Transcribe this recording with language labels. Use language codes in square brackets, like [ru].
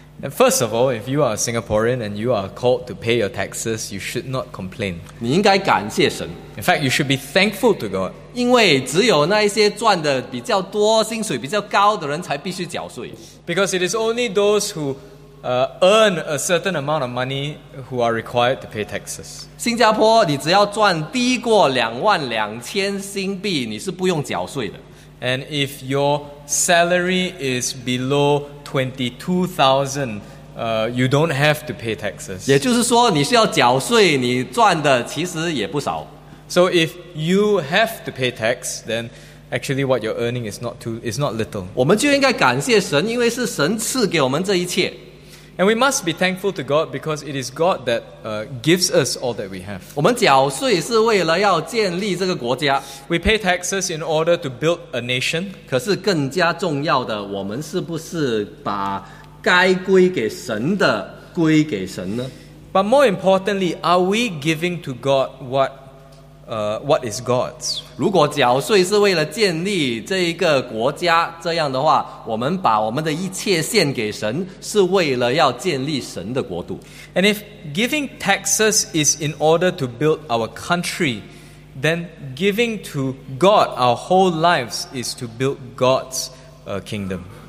[en] First of all, if you are a Singaporean and you are called to pay your taxes, you should not complain. [zh] 你应该感谢神。 [en] In fact, you should be thankful to God. [zh] 因为只有那一些赚的比较多,薪水比较高的人才必须缴税。 [en] Because it is only those who earn a certain amount of money who are required to pay taxes. [zh] 新加坡你只要赚低过22,000新币,你是不用缴税的。 [en] And if your salary is below 22,000, you don't have to pay taxes. [zh] 也就是说你需要缴税,你赚的其实也不少。 [en] So if you have to pay tax, then actually what you're earning is not little. [zh] 我们就应该感谢神,因为是神赐给我们这一切。 [en] And we must be thankful to God because it is God that gives us all that we have. [zh] 我们缴税是为了要建立这个国家。 [en] We pay taxes in order to build a nation. [zh] 可是更加重要的，我们是不是把该归给神的归给神呢？ [en] But more importantly, are we giving to God what is God's? [zh] 如果缴税是为了建立这一个国家，这样的话，我们把我们的一切献给神，是为了要建立神的国度。 [en] And if giving taxes is in order to build our country, then giving to God our whole lives is to build God's kingdom.